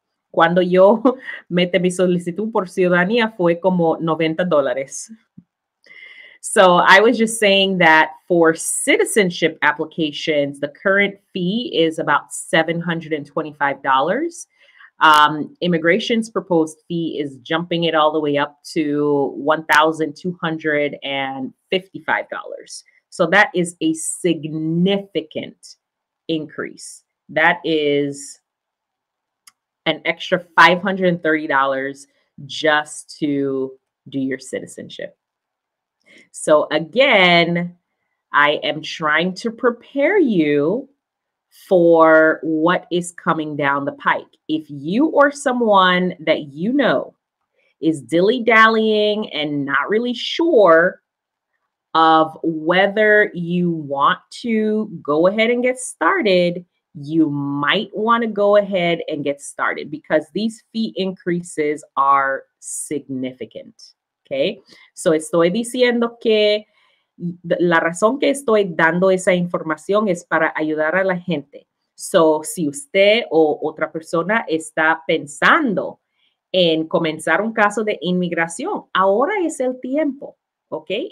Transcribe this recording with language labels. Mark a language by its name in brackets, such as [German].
[Spanish] Cuando yo metí mi solicitud por ciudadanía fue como $90. [English] So I was just saying that for citizenship applications, the current fee is about $725. Immigration's proposed fee is jumping it all the way up to $1,255. So that is a significant increase. That is an extra $530 just to do your citizenship. So again, I am trying to prepare you for what is coming down the pike. If you or someone that you know is dilly-dallying and not really sure of whether you want to go ahead and get started, you might want to go ahead and get started because these fee increases are significant. [Spanish] Okay, so estoy diciendo que la razón que estoy dando esa información es para ayudar a la gente. So, si usted o otra persona está pensando en comenzar un caso de inmigración, ahora es el tiempo, okay?